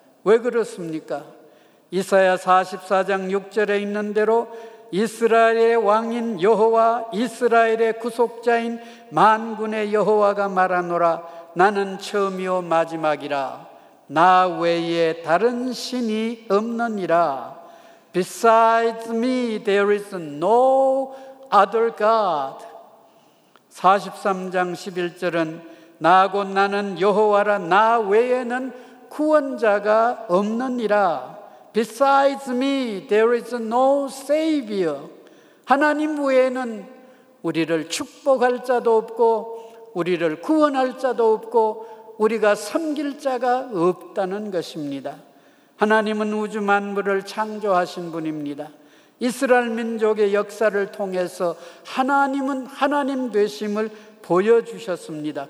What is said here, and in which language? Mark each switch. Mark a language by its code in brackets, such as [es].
[ko] 왜 그렇습니까? 이사야 44장 6절에 있는 대로 이스라엘의 왕인 여호와, 이스라엘의 구속자인 만군의 여호와가 말하노라. 나는 처음이요 마지막이라. 나 외에 다른 신이 없느니라. [en] Besides me there is no other God. [ko] 43장 11절은 나 곧 나는 여호와라. 나 외에는 구원자가 없느니라. [en] Besides me there is no savior. [ko] 하나님 외에는 우리를 축복할 자도 없고 우리를 구원할 자도 없고 우리가 섬길 자가 없다는 것입니다. 하나님은 우주 만물을 창조하신 분입니다. 이스라엘 민족의 역사를 통해서 하나님은 하나님 되심을 보여주셨습니다.